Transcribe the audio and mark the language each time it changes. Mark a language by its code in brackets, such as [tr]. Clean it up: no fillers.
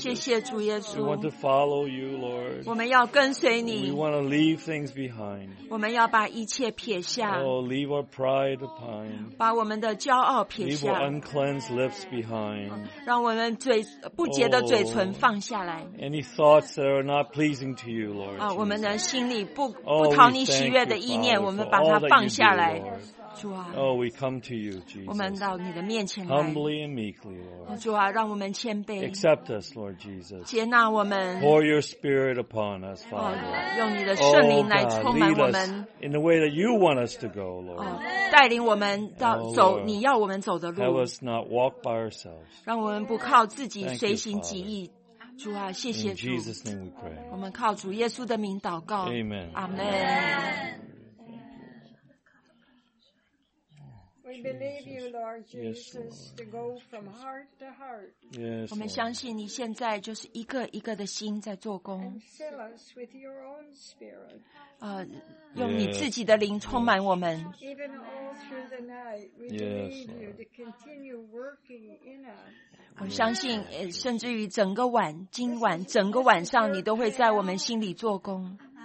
[zh] 谢谢主耶稣。 [en] We want to follow you, Lord. [zh] 我们要跟随你。 [en] We want to leave things behind. [zh] 我们要把一切撇下。 [en] Oh, leave our pride behind. [zh] 把我们的骄傲撇下。 [en] Leave our uncleansed lips behind. [zh] 让我们嘴不洁的嘴唇放下来。 [en] Any thoughts that are not pleasing to you, Lord? [zh] 我们的心里不讨你喜悦的意念，我们把它放下来。主啊 [en] ，Oh, we come to you, Jesus. [zh] 我们到你的面前来。 [en] Humbly and meekly, Lord. [zh] 主啊，让我们谦卑。 [en] Accept us, Lord Jesus. [zh] 接纳我们。 [en] Pour your Spirit upon us, Father. [zh] 用你的圣灵来充满我们。 [en] In the way that you want us to go, Lord. [zh] 带领我们到走你要我们走的路。 [en] Help us not walk by ourselves. [zh] 让我们不靠自己随行己意。主啊，谢谢主。 [en] In Jesus' name we pray. [zh] 我们靠主耶稣的名祷告。 [en] Amen. Amen. We believe you, Lord Jesus, to go from heart to heart. Yes. [zh] 我们相信你现在就是一个一个的心在做工。 [en] Fill us with your own spirit. [zh] 用你自己的灵充满我们。 [en] Even all through the night, we need you to continue working in us. [zh] 我相信甚至于整个晚今晚整个晚上你都会在我们心里做工。